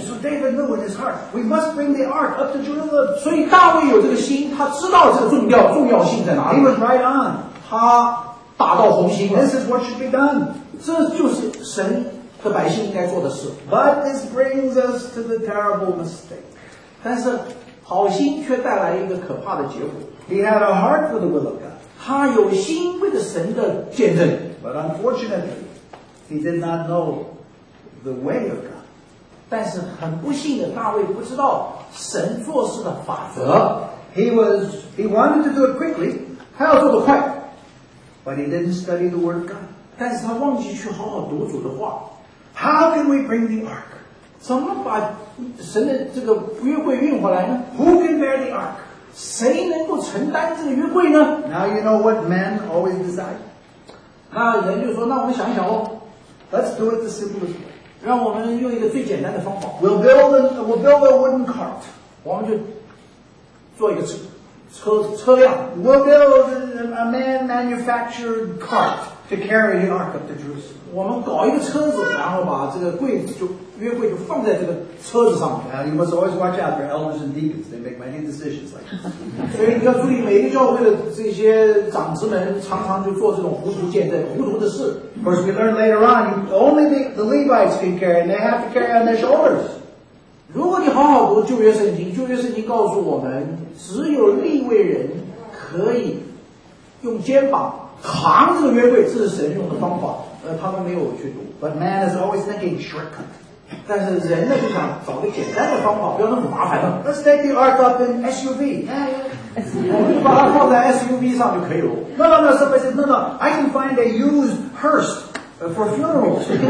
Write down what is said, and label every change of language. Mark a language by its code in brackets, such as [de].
[en] So David knew in his heart, we must bring the ark up to Jerusalem. [zh] 所以大卫有这个心，他知道这个重要性在哪里。 [en] He went right on. [zh] 他打到红心了。 [en] This is what should be done. [zh] 这就是神的百姓应该做的事。 [en] But this brings us to the terrible mistake. [zh] 但是好心却带来一个可怕的结果。 [en] He had a heart for the will of God. [zh] 他有心为了神的见证。 [en] But unfortunately, he did not know the way of God. [zh] 但是很不幸的，大卫不知道神做事的法则。 [en] He wanted to do it quickly. [zh] 他要做得快。 [en] But he didn't study the word of God. [zh] 但是他忘记去好好读主的话。 [en] How can we bring the ark? [zh] 怎么把神的这个约柜运回来呢？ [en] Who can bear the ark? [zh] 谁能够承担这个约柜呢？ [en] Now you know what men always desire. [zh] 那人就说，那我们想一想哦。 [en] Let's do it the simplest way. [zh] 让我们用一个最简单的方法。 [en] We'll build a wooden cart. [zh] 我们就做一个车辆。 [en] We'll build a man-manufactured cart to carry the ark up to Jerusalem. [zh] 我们搞一个车子，然后把这个柜就约柜就放在这个车子上面。 [en] Now, you must always watch out for elders and deacons. They make many decisions like this. [zh] 所以你要注意，每个教会的这些长子们常常就做这种糊涂见证、糊涂的事。 [en] Of course, we learn later on, only the Levites can carry, and they have to carry on their shoulders. [zh] 如果你好好读旧约圣经，旧约圣经告诉我们，只有利未人可以用肩膀扛这个约柜，这是神用的方法。他们没有去读。 [en] But man is always thinking shortcut. [zh] 但是人呢就想找个简单的方法，不要那么麻烦了。 [en] Let's take the ark up in SUV. [zh] 我们就把它放在 SUV 上就可以了。 [en] No, no, no, somebody said, no, I can find a used hearse for funerals.